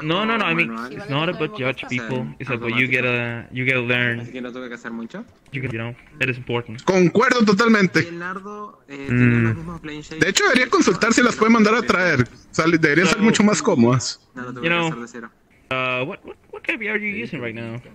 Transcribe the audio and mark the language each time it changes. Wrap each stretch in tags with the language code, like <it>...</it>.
<en>No, no, no, I mean, it's not about judge people, it's about you get to learn.</en> <es>Así que no tengo que hacer mucho.</es> <en>You can, you know, that is important.</en> <es>Concuerdo totalmente. De hecho, debería consultar si las puede mandar a traer. O sea, deberían ser mucho más cómodas.</es> <en>You know, what kind of VR are you using right now?</en>